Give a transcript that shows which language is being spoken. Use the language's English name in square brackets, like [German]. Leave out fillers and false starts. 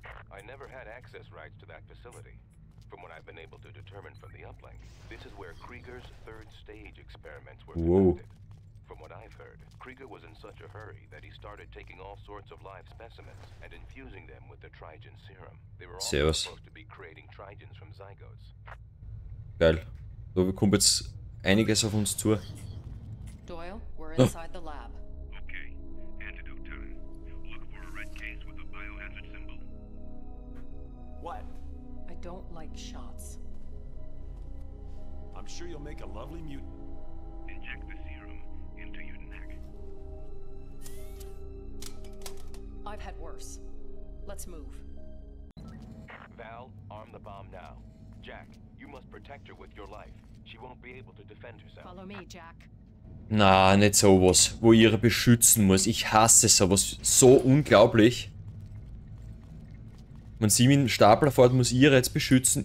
[English] I never had access rights to that facility. From what I've been able to determine from the uplink, this is where Krieger's third stage experiments were conducted. From what I've heard, Krieger was in such a hurry that he started taking all sorts of live specimens and infusing them with the Trigen serum. They were also supposed to be creating Trigens from zygotes. [German] Geil. So, wir kommen jetzt einiges auf uns zu. [English] Doyle, we're inside the lab. Don't like shots. I'm sure you'll make a lovely mutant. Inject the serum into your neck. I've had worse. Let's move. Val, arm the bomb now. Jack, you must protect her with your life. She won't be able to defend herself. Follow me, Jack. [German] Na, nicht sowas, wo ich ihre beschützen muss. Ich hasse sowas so unglaublich. Wenn sie mit dem Stapler fährt, muss ich ihr jetzt beschützen.